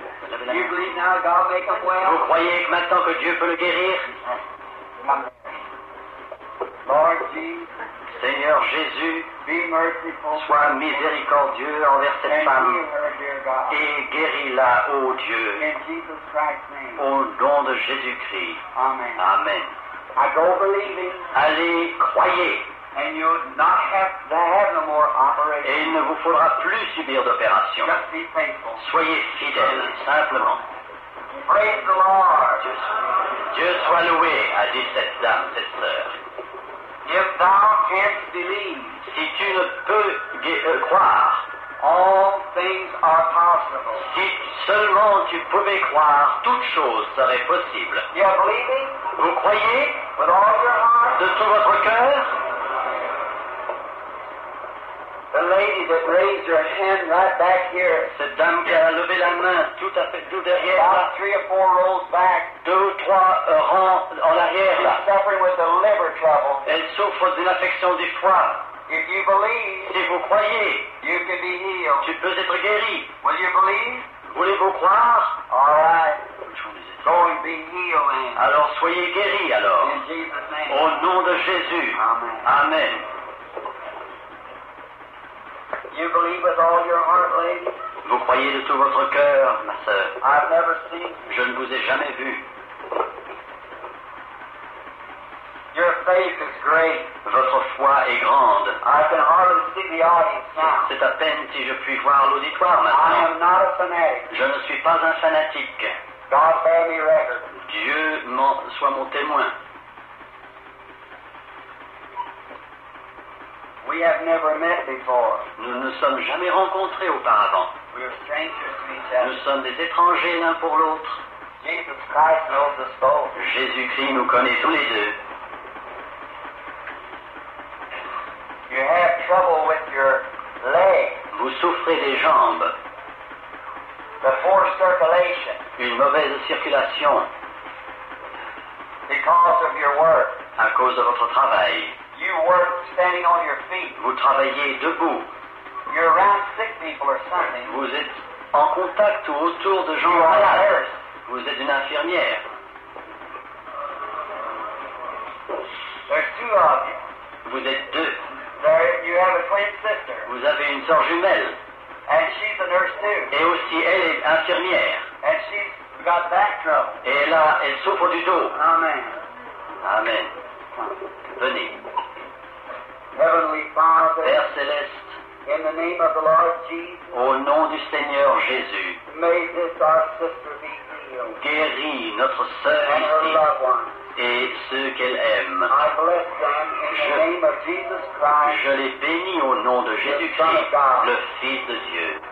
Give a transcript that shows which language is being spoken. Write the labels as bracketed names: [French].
[English] You believe now God make him well? [French] Vous croyez que maintenant que Dieu peut le guérir? [English] Lord Jesus, [French] Seigneur Jésus, [English] be merciful, [French] sois miséricordieux envers cette [English] and [French] femme [English] her, [French] et guéris-la, ô oh Dieu, [English] in Jesus Christ's name. [French] Au nom de Jésus-Christ. [English] Amen. [French] Amen. [English] I go believing. [French] Allez, croyez. [English] And you'll not have to have no more operations. [French] Et il ne vous faudra plus subir d'opérations. [English] Just be faithful. [French] Soyez fidèles, simplement. [English] Praise the Lord. [French] Dieu soit loué, a dit cette dame, cette sœur. [English] If thou canst believe, [French] si tu ne peux croire, [English] all things are possible. [French] Si seulement tu pouvais croire, toutes choses seraient possibles. [English] You're believing? [French] Vous croyez? [English] With all your heart? [French] De tout votre cœur? [English] The lady that raised her hand right back here. [French] Cette dame qui a levé la main tout à fait tout derrière. [English] About three or four rows back. [French] Deux ou trois rangs en arrière. [English] She's suffering with a liver trouble. [French] Elle souffre d'une affection du foie. [English] If you believe, [French] si vous croyez, [English] you can be healed. [French] Tu peux être guéri. [English] Will you believe? [French] Voulez-vous croire? [English] All right. Go and be healed. [French] Alors soyez guéri alors. [English] In Jesus' name. [French] Au nom de Jésus. [English] Amen. [French] Amen. [English] You believe with all your heart, lady? [French] Vous croyez de tout votre cœur, ma sœur. [English] I've never seen. [French] Je ne vous ai jamais vu. [English] Your faith is great. [French] Votre foi est grande. [English] I can hardly see the audience now. [French] C'est à peine si je puis voir l'auditoire maintenant. [English] I am not a fanatic. [French] Je ne suis pas un fanatique. [English] God bear me record. [French] Dieu m'en soit mon témoin. [English] We have never met before. [French] Nous ne sommes jamais rencontrés auparavant. [English] We are strangers to each other. [French] Nous sommes des étrangers l'un pour l'autre. [English] Jesus Christ knows us both. [French] Jésus-Christ nous connaît tous les deux. [English] You have trouble with your leg. [French] Vous souffrez des jambes. [English] The poor circulation. [French] Une mauvaise circulation. [English] Because of your work. [French] À cause de votre travail. [English] You work standing on your feet. [French] Vous travaillez debout. [English] You're around sick people or something. [French] Vous êtes en contact ou autour de gens malades. Vous êtes une infirmière. [English] There's two of you. [French] Vous êtes deux. [English] There, you have a twin sister. [French] Vous avez une sœur jumelle. [English] And she's a nurse too. [French] Et aussi elle est infirmière. [English] And she's got back trouble. [French] Et là, elle souffre du dos. [English] Amen. [French] Amen. Venez. [English] Heavenly Father, [French] Père céleste, [English] in the name of the Lord Jesus, [French] au nom du Seigneur Jésus, [English] may this our sister be healed. [French] Guéris notre sœur ici et ceux qu'elle aime. [English] I bless them in the name of Jesus Christ. [French] Je les bénis au nom de Jésus-Christ, le Fils de Dieu.